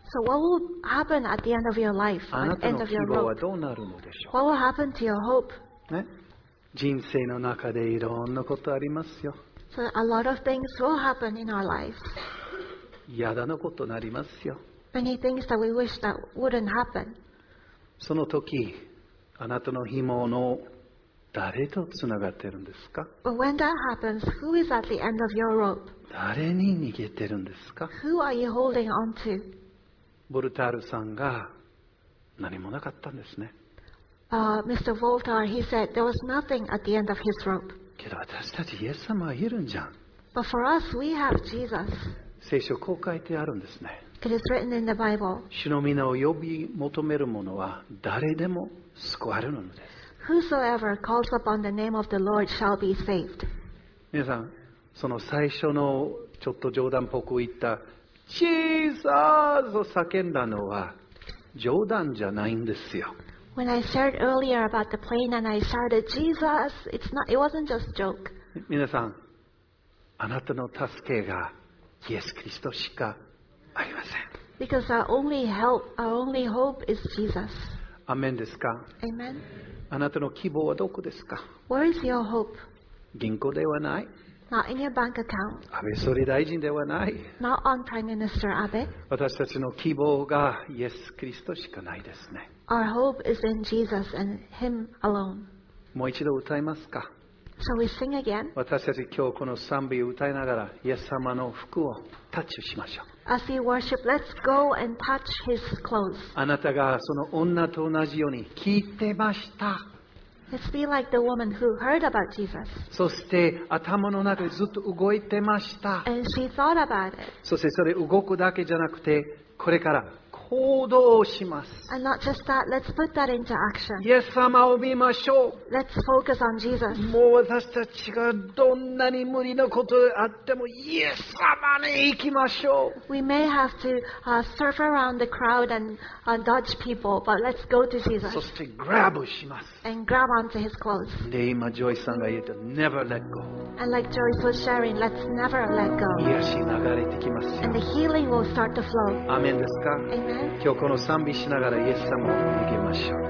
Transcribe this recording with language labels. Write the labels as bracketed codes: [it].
[en] So what will happen at the end of your life? [ja] あなたの希望はどうなるのでしょう？ [en] What will happen to your hope? [ja] ね、人生の中でいろんなことありますよ。 [en] So a lot of things will happen in our lives. [ja] 嫌だなことになりますよ。 [en] Many things that we wish that wouldn't happen. [ja] その時、あなたの希望の誰とつながってるんですか？ [en] But when that happens, who is at the end of your rope? [ja] 誰に逃げてるんですか？ [en] Who are you holding on to? [ja] ボルタールさんが何もなかったんですね。 [en] Mr. Voltaire, he said there was nothing at the end of his rope. [ja] けど私たちイエス様はいるんじゃん。 [en] But for us, we have Jesus. [ja] 聖書こう書いてあるんですね。 [en] It is written in the Bible. [ja] 主の皆を呼び求める者は誰でも救われるのです。 [en] Whosoever calls upon the name of the Lord shall be saved. [ja] 皆さん、その最初のちょっと冗談っぽく言った Jesus を叫んだのは冗談じゃないんですよ。 [en] When I shared earlier about the plane and I shouted Jesus, it wasn't just a joke. [ja] 皆さん、あなたの助けがイエス・キリストしかありません。 [en] Because our only help, our only hope is Jesus. [ja] アメンですか？ [en] Amen. [ja] あなたの希望はどこですか？ [en] Where is your hope? [ja] 銀行ではない。 [en] Not in your bank account. [ja] 安倍総理大臣ではない。 [en] Not on Prime Minister Abe. [ja] 私たちの希望がイエス・キリストしかないですね。 [en] Our hope is in Jesus and Him alone. [ja] もう一度歌いますか？ [en] Shall we sing again? [ja] 私たち今日この賛美を歌いながらイエス様の服をタッチしましょう。 [en] As we worship, let's go and touch His clothes. [ja] あなたがその女と同じように聞いてました。 [en] It's be like the woman who heard about Jesus. [ja] そして頭の中でずっと動いてました。 [en] And she thought about it. [ja] そしてそれ動くだけじゃなくてこれから行動します。 [en] And not just that, let's put that into action. [ja] イエス様を見ましょう。 [en] Let's focus on Jesus. [ja] もう私たちがどんなに無理なことであってもイエス様に行きましょう。 [en] We may have to surf around the crowd and dodge people, but let's go to Jesus. [ja] そしてグラブします。 [en] And grab onto His clothes. [ja] で今ジョイさんが言った [en] Never let go. And like Joyce was sharing, let's never let go. [ja] 癒し流れてきますよ。 [en] And the healing will start to flow. [ja] アメンですか？今日この賛美しながらイエス様を受けましょう。